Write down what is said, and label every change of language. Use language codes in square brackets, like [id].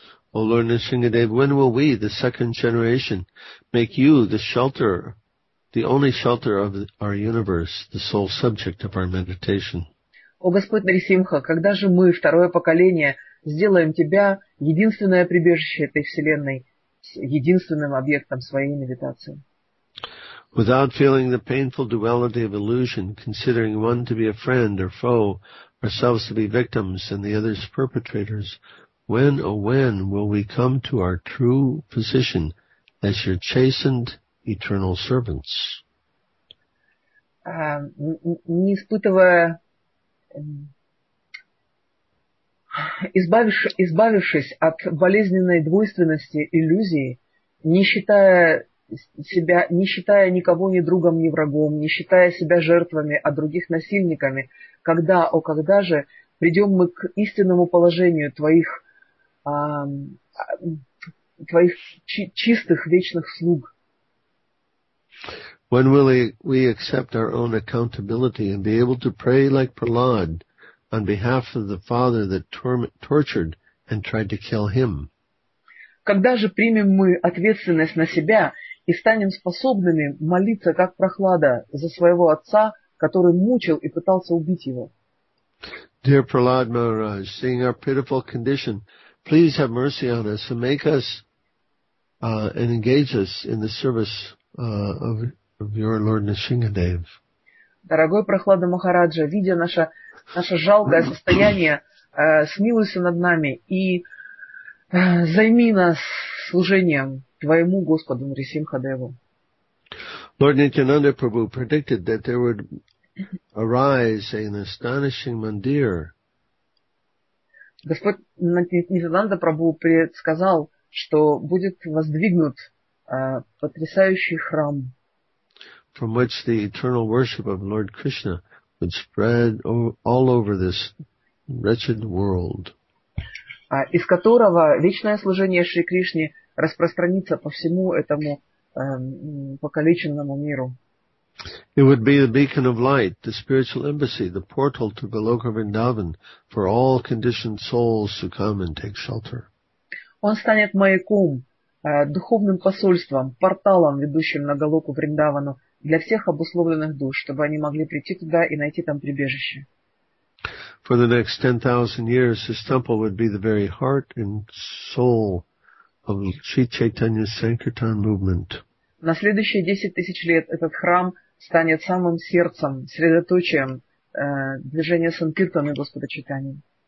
[en] O Lord Nrisimhadev, when will we, the second generation, make you the shelter, the only shelter of our universe, the sole subject of our meditation? [ru] О Господь Нарисимха, когда же мы, второе поколение, сделаем Тебя единственное прибежище этой Вселенной, единственным объектом своей медитации? [en] Without feeling the painful duality of illusion, considering one to be a friend or foe, ourselves to be victims and the others perpetrators, when, oh when, will we come to our true position as your chastened eternal servants? [ru] Не испытывая, избавившись от болезненной двойственности иллюзии, не считая себя, не считая никого ни другом, ни врагом, не считая себя жертвами, а других насильниками, когда, о когда же, придем мы к истинному положению твоих, твоих чистых вечных слуг? [en] When will we accept our own accountability and be able to pray like Prahlad on behalf of the father that tortured and tried to kill him? [ru] Когда же примем мы ответственность на себя и станем способными молиться, как Прохлада, за своего отца, который мучил и пытался убить его? [en] Dear Prahlad Maharaj, seeing our pitiful condition, please have mercy on us and make us and engage us in the service of your Lord Nrisimhadev. [ru] Дорогой Прохлада Махараджа, видя наше жалкое состояние, смилуйся над нами и займи нас служением Твоему Господу Нрисимхадеву. [en] Lord Nityananda Prabhu predicted that there would arise an astonishing mandir. [ru] Господь Нитянанда Прабху предсказал, что будет воздвигнут потрясающий храм, [en] from which the eternal worship of Lord Krishna would spread all over this wretched world. [ru] Из которого вечное служение Шри Кришне распространится по всему этому покалеченному миру. [en] It would be the beacon of light, the spiritual embassy, the portal to Goloka Vrindavan for all conditioned souls to come and take shelter. [ru] Он станет маяком, духовным посольством, порталом, ведущим на Голоку Вриндавану для всех обусловленных душ, чтобы они могли прийти туда и найти там прибежище. [en] For the next 10,000 years, this temple would be the very heart and soul of Sri Chaitanya Sankirtan movement. [ru] На следующие 10,000 лет этот храм станет самым сердцем, средоточием движения Санкиртан и Господа Чайтаньи.